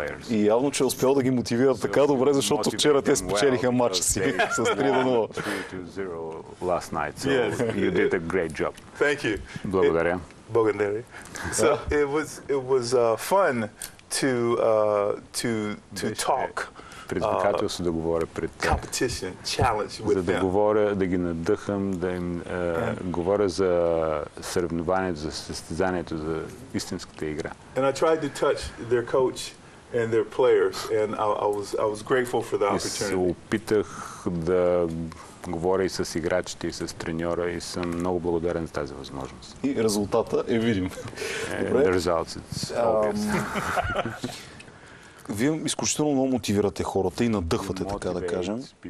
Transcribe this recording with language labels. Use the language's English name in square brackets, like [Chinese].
[Bulgarian] И явно, че е успял да ги мотивира така добре, защото вчера те спечелиха матча си с 3-0. [English] Last night, so you did a great job. Thank you. [Bulgarian] Благодаря. [English] So it was fun to talk. [Bulgarian] Предизвикателство да говоря пред тях. [English] Competition, challenge with them. [Bulgarian] За да говоря, да ги надъхам, да им говоря за съревнованието, за състезанието, за истинската игра. [English] And I tried to touch their coach and their players, and I was grateful for the opportunity. [Bulgarian] И се опитах да говоря и с играчите, и с треньора, и съм много благодарен за тази възможност. И резултата е видим. [English] The results, it's obvious. [Bulgarian] Вие изключително много мотивирате хората и надъхвате, така да кажем.